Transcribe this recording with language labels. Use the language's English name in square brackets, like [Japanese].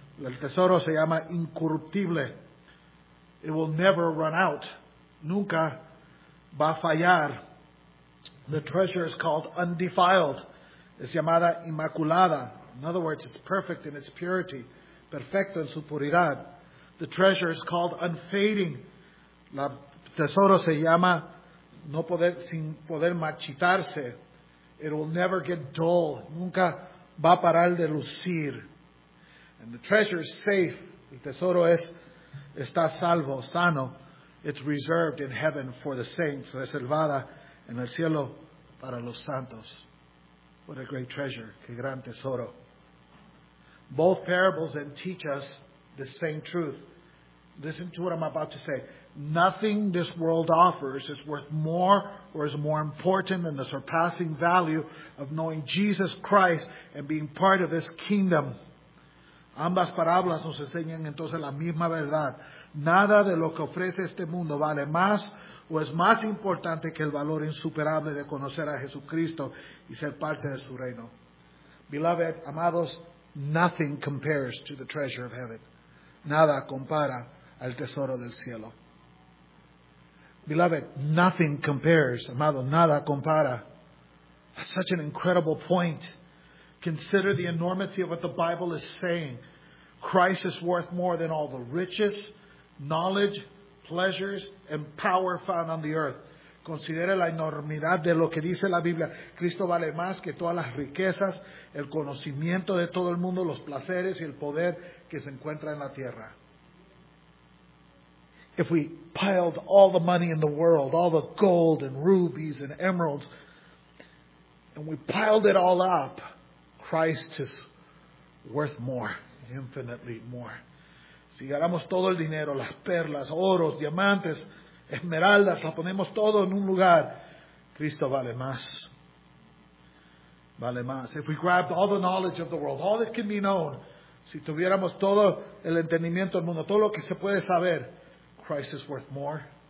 [Spanish] El tesoro se llama incorruptible. [English] It will never run out. [Spanish] Nunca va a fallar. [English] The treasure is called undefiled. [Spanish] Es llamada inmaculada. [English] In other words, it's perfect in its purity. [Spanish] Perfecto en su puridad. [English] The treasure is called unfading. [Spanish] El tesoro se llama no poder, sin poder marchitarse. [English] It will never get dull. [Spanish] Nunca va a parar de lucir. [English] And the treasure is safe. [Spanish] El tesoro está salvo, sano. [English] It's reserved in heaven for the saints. [Spanish] Reservada en el cielo para los santos. [English] What a great treasure. [Spanish] Qué gran tesoro. [English] Both parables then teach us the same truth. Listen to what I'm about to say. Nothing this world offers is worth more or is more important than the surpassing value of knowing Jesus Christ and being part of His kingdom. [Spanish] Ambas parábolas nos enseñan entonces la misma verdad. Nada de lo que ofrece este mundo vale más o es más importante que el valor insuperable de conocer a Jesucristo y ser parte de su reino. [English] Beloved, [Spanish] amados, [English] nothing compares to the treasure of heaven. [Spanish] Nada compara al tesoro del cielo. [English] Beloved, nothing compares, [Spanish] amado, nada compara. [English] That's such an incredible point. Consider the enormity of what the Bible is saying. Christ is worth more than all the riches, knowledge, pleasures, and power found on the earth. [Spanish] Considere la enormidad de lo que dice la Biblia. Cristo vale más que todas las riquezas, el conocimiento de todo el mundo, los placeres y el poder que se encuentra en la tierra. [English] If we piled all the money in the world, all the gold and rubies and emeralds, and we piled it all up, Christ is worth more, infinitely more. [Spanish] Si agarramos todo el dinero, las perlas, oros, diamantes, esmeraldas, la ponemos todo en un lugar, Cristo vale más. Vale más. [English] If we grabbed all the knowledge of the world, all that can be known, [Spanish] si tuviéramos todo el entendimiento del mundo, todo lo que se puede saber, [English] Christ is worth more.